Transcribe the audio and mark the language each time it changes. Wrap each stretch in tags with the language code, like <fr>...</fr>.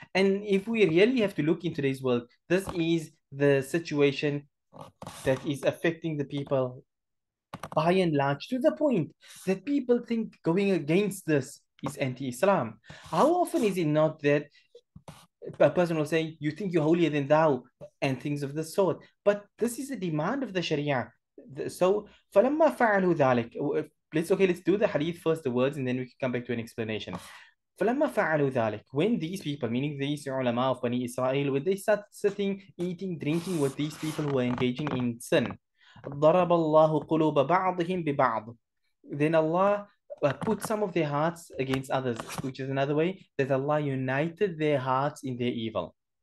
<en>And if we really have to look in today's world, this is the situation that is affecting the people by and large, to the point that people think going against this is anti-Islam. How often is it not that a person will say, you think you're holier than thou, and things of this sort. But this is a demand of the Sharia.</en> <ar>So, فَلَمَّا فَعَلُوا ذَلِكَ.</ar> <en>Let's do the hadith first, the words, and then we can come back to an explanation.</en> <ar>فَلَمَّا فَعَلُوا ذَلِكَ.</ar> <en>When these people, meaning these ulama of Bani Israel, when they start sitting, eating, drinking with these people who are engaging in sin,</en> <ar>ضَرَبَ اللَّهُ قُلُوبَ بَعْضِهِمْ بِبَعْضٍ,</ar> <en>then Allah put some of their hearts against others, which is another way that Allah united their hearts in their evil.</en>